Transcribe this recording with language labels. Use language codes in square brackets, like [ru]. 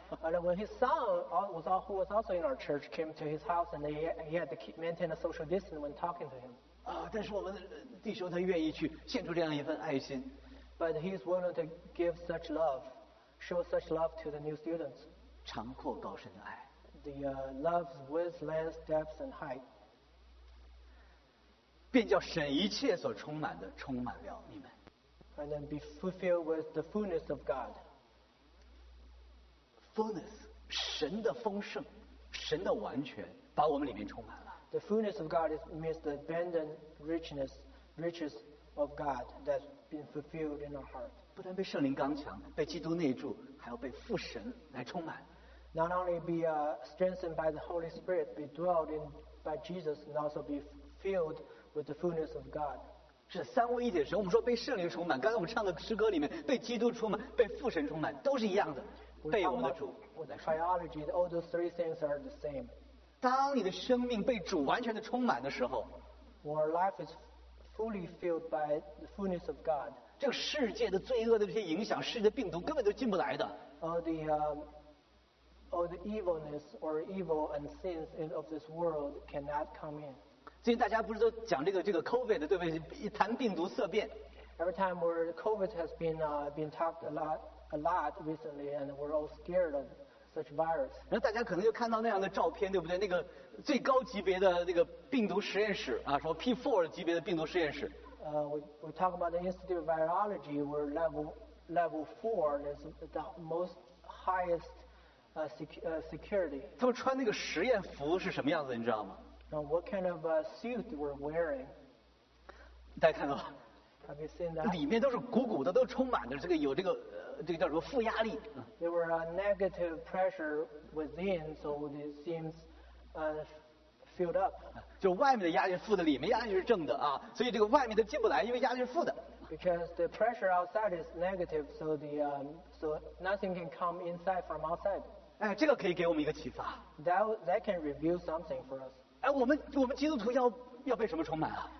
[en] And when his son, who was also in our church, came to his house, and he had to maintain a social distance when talking to him. [zh] 但是我们弟兄他愿意去献出这样一份爱心。 [en] But he's willing to give such love. Show such love to the new students. [zh] 长阔高深的爱. [en] The love's width, length, depth, and height. [zh] 便叫神一切所充满的充满了你们. [en] And then be fulfilled with the fullness of God. [zh] Fullness, 神的丰盛, 神的完全, 把我们里面充满了. [en] The fullness of God means the abundant riches of God that's been fulfilled in our heart. [zh] 不但被圣灵刚强，被基督内住，还要被父神来充满。 [en] Not only be strengthened by the Holy Spirit, be dwelled in by Jesus, and also be filled with the fullness of God. [zh] 这三位一体的神，我们说被圣灵充满，刚才我们唱的诗歌里面被基督充满，被父神充满，都是一样的，被我们的主来充满。 [en] With triology, all those three things are the same. [zh] 当你的生命被主完全的充满的时候， [en] our life is fully filled by the fullness of God. [zh] 这个世界的罪恶的这些影响，世界的病毒根本都进不来的。 [en] All the evilness or evil and sins of this world cannot come in. [zh] 最近大家不是都讲这个 COVID 对不对？谈病毒色变。 [en] Every time COVID has been talked a lot recently, and we're all scared of such virus. [zh] 然后大家可能就看到那样的照片，对不对？那个最高级别的那个病毒实验室啊，什么 P4 级别的病毒实验室。 [en] We talk about the Institute of Virology. We're level four. That's the most highest security. [zh] 他们穿那个实验服是什么样子，你知道吗？ [en] Now, what kind of suit we're wearing? [zh] 大家看到吗？ [en] Have you seen that? [zh] 里面都是鼓鼓的，都充满着这个有这个叫什么负压力。 [en] There were a negative pressure within, so it seems filled up. [zh] 就外面的压力是负的，里面压力是正的啊，所以这个外面的进不来，因为压力是负的。 [en] Because the pressure outside is negative, so so nothing can come inside from outside. [zh] 哎，这个可以给我们一个启发。 [en] That can reveal something for us. [zh] 哎，我们基督徒要被什么充满啊？